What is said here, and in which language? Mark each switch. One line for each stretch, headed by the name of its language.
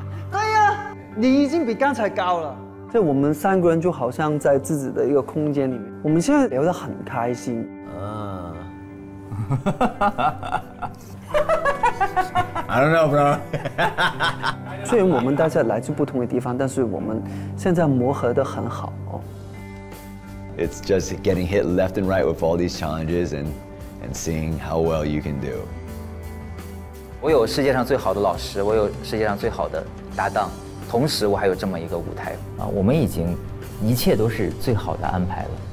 Chinese: 对呀，你已经比刚才高了。所以我们三个人就好像在自己的一个空间里面，我们现在聊得很开心。嗯，
English: I don't know, bro.
Chinese: 虽然我们大家来自不同的地方，但是我们现在磨合得很好。
English: It's just getting hit left and right with all these challenges and seeing how well you can do.
Chinese: 我有世界上最好的老师，我有世界上最好的搭档。同时我还有这么一个舞台啊，我们已经一切都是最好的安排了。